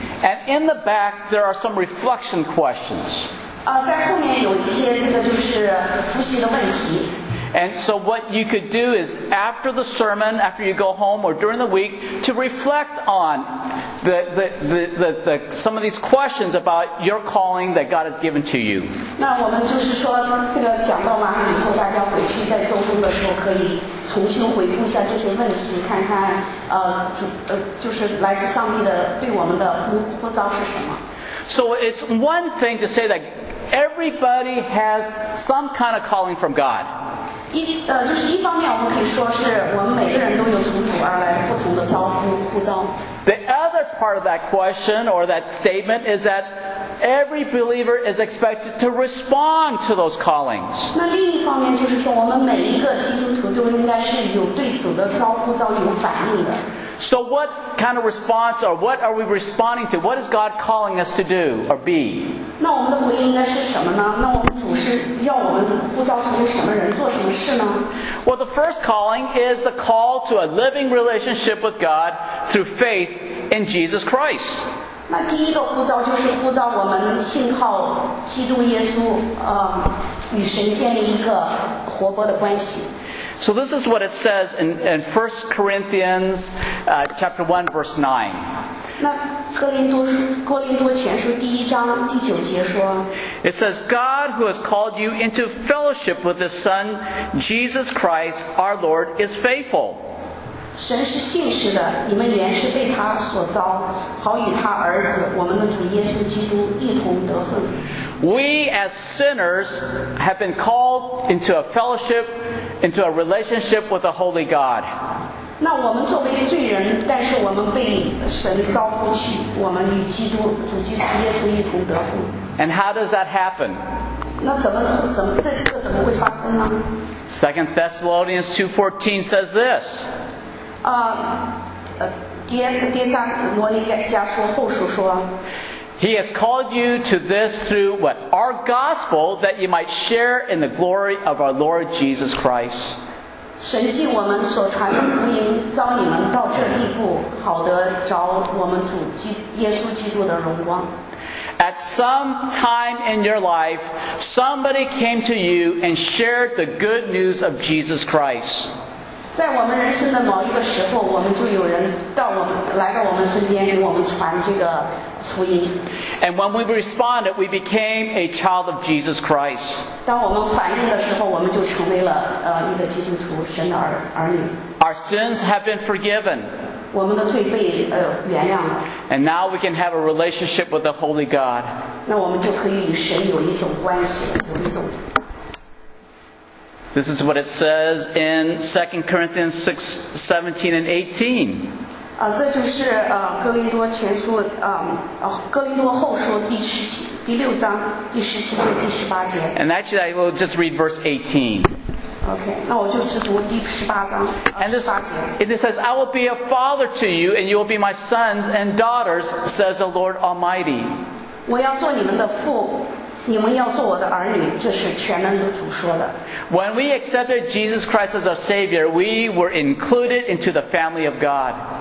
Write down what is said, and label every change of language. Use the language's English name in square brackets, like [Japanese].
[English] And in the back there are some reflection questions. [Chinese] 在后面有一些这个就是复习的问题。 [English] And so what you could do is after the sermon, after you go home or during the week, to reflect on the some of these questions about your calling that God has given to you. [Chinese] 那我们就是说，这个讲到完以后，大家回去在周中的时候可以重新回顾一下这些问题，看看就是来自上帝的对我们的呼召是什么。 [English] So it's one thing to say that everybody has some kind of calling from God. [Chinese] 就是一方面我们可以说是我们每个人都有从主而来不同的招呼呼召。 [English] The other part of that question or that statement is that every believer is expected to respond to those callings. [Chinese] 那另一方面就是说我们每一个基督徒都应该是有对主的招呼召有反应的。 [English] So what kind of response or what are we responding to? What is God calling us to do or be? [Chinese] 那我们的回应应该是什么呢？那我们主是要我们呼召成为什么人，做什么事呢？ [English] Well, the first calling is the call to a living relationship with God through faith in Jesus Christ. [Chinese] 那第一个呼召就是呼召我们信靠基督耶稣，与神建立一个活泼的关系。 [English] So this is what it says in 1 Corinthians chapter 1 verse 9. [Chinese] 那哥林多前书第一章第九节说。 [English] It says, God who has called you into fellowship with his Son, Jesus Christ, our Lord, is faithful. [Chinese] 神是信实的，你们原是被他所召，好与他儿子，我们的主耶稣基督一同得分。 [English] We as sinners have been called into a fellowship, into a relationship with the Holy God. [Chinese] 那我们作为罪人，但是我们被神召呼去，我们与基督主基督耶稣一同得福。 [English] And how does that happen? [Chinese] 那怎么怎么会发生呢？ [English] 2 Thessalonians 2:14 says this. [Chinese] 第三摩尼加书后书说。 [English] He has called you to this through what? Our gospel, that you might share in the glory of our Lord Jesus Christ. [Chinese] 神既我们所传的福音，召你们到这地步，好得着我们主耶稣基督的荣光。 [English] At some time in your life, somebody came to you and shared the good news of Jesus Christ. [Chinese] 在我们人生的某一个时候，我们就有人来到我们身边，给我们传这个。 [English] And when we responded, we became a child of Jesus Christ. [Chinese] 当我们反应的时候，我们就成为了一个基督徒，神的儿女。 [English] Our sins have been forgiven. [Chinese] 我们的罪被原谅了。 [English] And now we can have a relationship with the Holy God. [Chinese] 那我们就可以与神有一种关系，有一种。 [English] This is what it says in 2 Corinthians 6:17-18. [Chinese] 这就是哥林多前书哥林多后书第六章第十七节第十八节。 [English] And actually, I will just read verse 18. [Chinese] Okay, 那我就只读第十八章十八节。 [English] And it says, "I will be a father to you, and you will be my sons and daughters," says the Lord Almighty. [Chinese] 我要做你们的父，你们要做我的儿女，这是全能的主说的。 [English] When we accepted Jesus Christ as our Savior, we were included into the family of God.